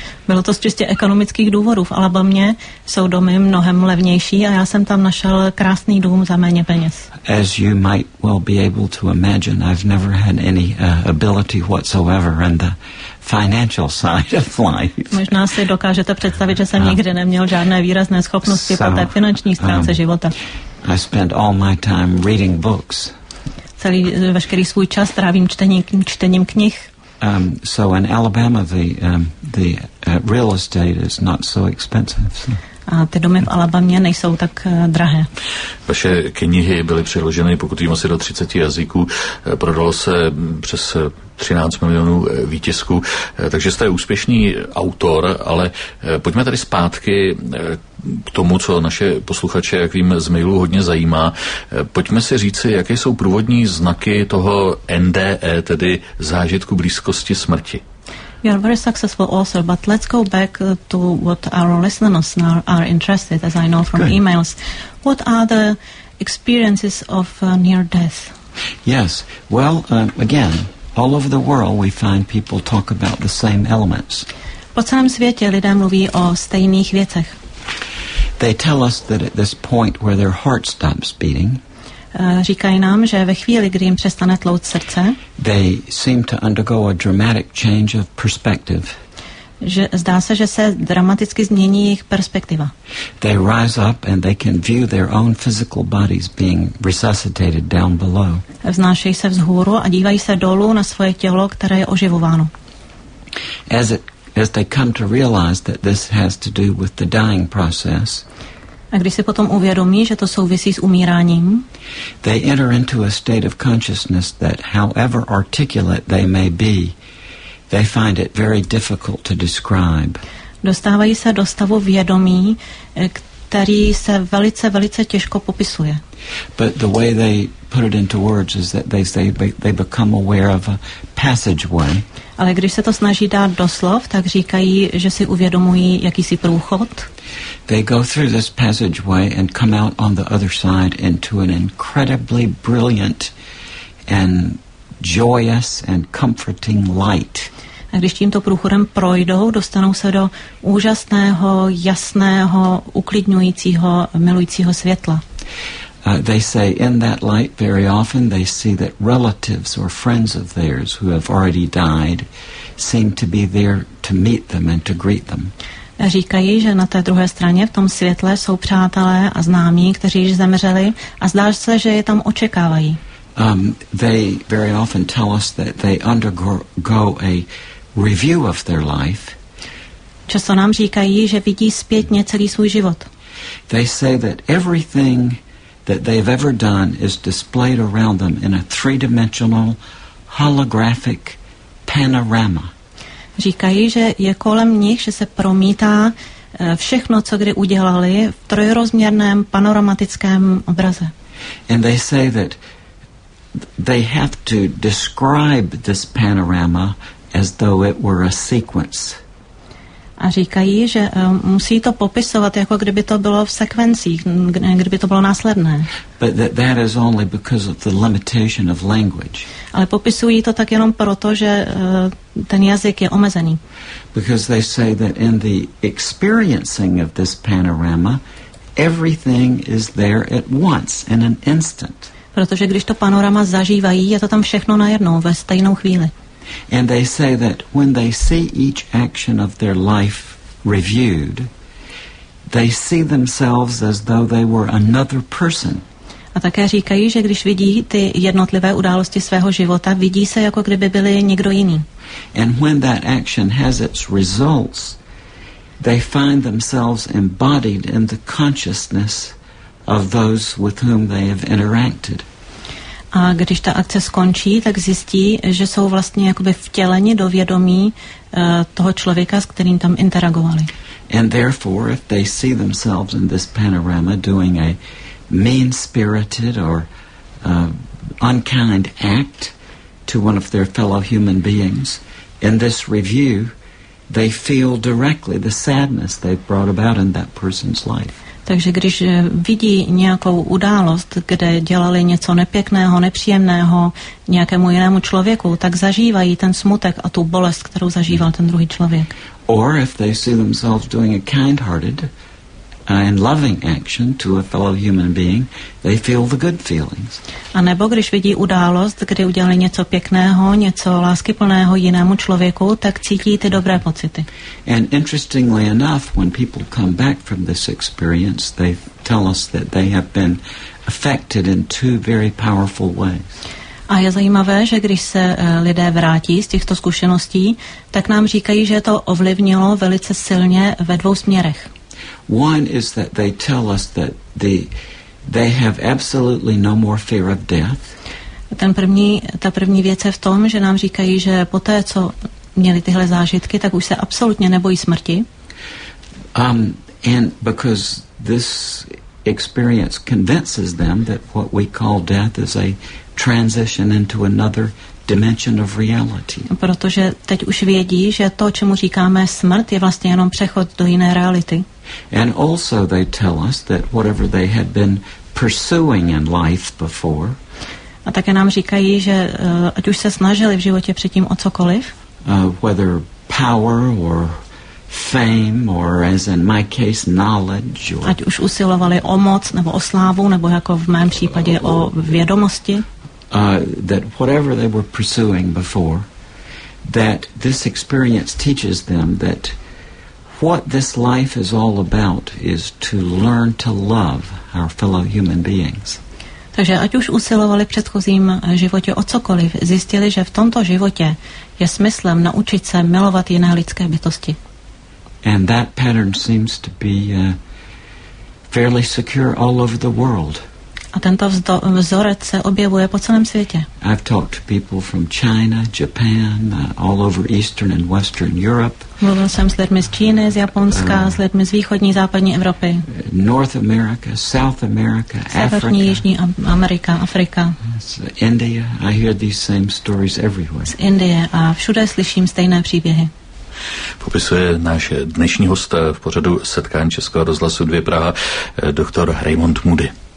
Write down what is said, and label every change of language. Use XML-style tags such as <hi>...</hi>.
<cs>Bylo to z čistě ekonomických důvodů. V Alabamě jsou domy mnohem levnější a já jsem tam našel krásný dům za méně peněz.</cs> <en>As you might well be able to imagine, I've never had any ability whatsoever in the financial side of life.</en> <cs>Možná si dokážete představit, že jsem nikdy neměl žádné výrazné schopnosti po té finanční stránce života.</cs> <en>I spent all my time reading books.</en> <cs>Celý veškerý svůj čas trávím čtením knih.</cs> <en>So in Alabama the real estate is not so expensive. So.</en> <cs>A ty domy v Alabamě nejsou tak drahé. Vaše knihy byly přeloženy, pokud jim asi do 30 jazyků, prodalo se přes 13 milionů výtisků, takže jste úspěšný autor, ale pojďme tady zpátky k tomu, co naše posluchače, jak vím, z mailu hodně zajímá. Pojďme si říci, jaké jsou průvodní znaky toho NDE, tedy zážitku blízkosti smrti.</cs> <en>You are a very successful author, but let's go back to what our listeners now are interested, as I know from Good. Emails. What are the experiences of near death? Yes. Well, again, all over the world we find people talk about the same elements.</en> <cs>Po celém světě lidé mluví o stejných věcech.</cs> <en>They tell us that at this point where their heart stops beating,</en> <cs>Říkají nám, že ve chvíli, kdy jim přestane tlout srdce,</cs> <en>they seem to undergo a dramatic change of perspective.</en> <cs>Že zdá se, že se dramaticky změní jejich perspektiva.</cs> <en>They rise up and they can view their own physical bodies being resuscitated down below.</en> <cs>Vznášejí se vzhůru a dívají se dolů na svoje tělo, které je oživováno.</cs> <en>As they come to realize that this has to do with the dying process,</en> <cs>a když si potom uvědomí, že to souvisí s umíráním,</cs> <en>they enter into a state of consciousness that however articulate they may be, they find it very difficult to describe.</en> <cs>Dostávají se do stavu vědomí, který se velice, velice těžko popisuje.</cs> <en>But the way they put it into words is that they become aware of a passageway.</en> <cs>ale když se to snaží dát do slov, tak říkají, že si uvědomují jakýsi průchod.</cs> <en>They go through this passageway and come out on the other side into an incredibly brilliant and joyous and comforting light.</en> <cs>A když tímto průchodem projdou, dostanou se do úžasného, jasného, uklidňujícího, milujícího světla.</cs> <en>They say in that light very often they see that relatives or friends of theirs who have already died seem to be there to meet them and to greet them.</en> <cs>Říkají, že na té druhé straně v tom světle jsou přátelé a známí, kteří již zemřeli, a zdá se, že je tam očekávají.</cs> <en>They very often tell us that they undergo a review of their life.</en> <cs>Často nám říkají, že vidí zpětně celý svůj život.</cs> <en>They say that everything that they've ever done is displayed around them in a three-dimensional holographic panorama.</en> <cs>Říkají, že je kolem nich, že se promítá všechno, co kdy udělali, v trojrozměrném panoramatickém obraze.</cs> <en>And they say that they have to describe this panorama as though it were a sequence.</en> <cs>A říkají, že musí to popisovat, jako kdyby to bylo v sekvencích, kdyby to bylo následné.</cs> <en>But that is only because of the limitation of language.</en> <cs>Ale popisují to tak jenom proto, že ten jazyk je omezený.</cs> <en>Because they say that in the experiencing of this panorama, everything is there at once, in an instant.</en> <cs>Protože když to panorama zažívají, je to tam všechno najednou, ve stejnou chvíli.</cs> <en>And they say that when they see each action of their life reviewed, they see themselves as though they were another person.</en> <cs>A také říkají, že když vidí ty jednotlivé události svého života, vidí se, jako kdyby byli někdo jiný.</cs> <en>And when that action has its results, they find themselves embodied in the consciousness of those with whom they have interacted.</en> <cs>A když ta akce skončí, tak zjistí, že jsou vlastně jakoby vtěleni do vědomí toho člověka, s kterým tam interagovali.</cs> <en>And therefore, if they see themselves in this panorama doing a mean-spirited or unkind act to one of their fellow human beings, in this review, they feel directly the sadness they've brought about in that person's life.</en> <cs>Takže když vidí nějakou událost, kde dělali něco nepěkného, nepříjemného nějakému jinému člověku, tak zažívají ten smutek a tu bolest, kterou zažíval ten druhý člověk.</cs> <en>Or if they see themselves doing a kind-hearted and loving action to a fellow human being, they feel the good feelings.</en> <cs>A nebo když vidí událost, kdy udělali něco pěkného, něco láskyplného jinému člověku, tak cítí ty dobré pocity.</cs> <en>And interestingly enough, when people come back from this experience, they tell us that they have been affected in two very powerful ways.</en> <cs>A je zajímavé, že když se lidé vrátí z těchto zkušeností, tak nám říkají, že to ovlivnilo velice silně ve dvou směrech.</cs> <en>One is that they tell us that they have absolutely no more fear of death.</en> <cs>Ta první věc je v tom, že nám říkají, že poté, co měli tyhle zážitky, tak už se absolutně nebojí smrti.</cs> <en>And because this experience convinces them that what we call death is a transition into another dimension of reality.</en> <cs>Protože teď už vědí, že to, čemu říkáme smrt, je vlastně jenom přechod do jiné reality.</cs> <en>And also they tell us that whatever they had been pursuing in life before.</en> <cs>A také nám říkají, že ať už se snažili v životě předtím o cokoliv.</cs> <en>Whether power or fame or as in my case knowledge. Or,</en> <cs>ať už usilovali o moc nebo o slávu nebo jako v mém případě o vědomosti.</cs> <en>That whatever they were pursuing before, that this experience teaches them that what this life is all about is to learn to love our fellow human beings.</en> <cs>Takže ať už usilovali v předchozím životě o cokoliv, zjistili, že v tomto životě je smyslem naučit se milovat jiné lidské bytosti.</cs> <en>And that pattern seems to be fairly secure all over the world.</en> <cs>A tento vzorec se objevuje po celém světě.</cs> <en>I've talked to people from China, Japan, all over Eastern and Western Europe.</en> <cs>Mluvil jsem s lidmi z Číny, z Japonska, s lidmi z východní západní Evropy.</cs> <en>North America, South America,</en> <cs>Africa. Jižní Amerika, Afrika.</cs> <en>India, I hear these same stories everywhere.</en> <cs>Z Indie a všude slyším stejné příběhy. Popisuje náš dnešní host v pořadu setkání Českého rozhlasu 2 Praha, doktor Raymond Moody.</cs>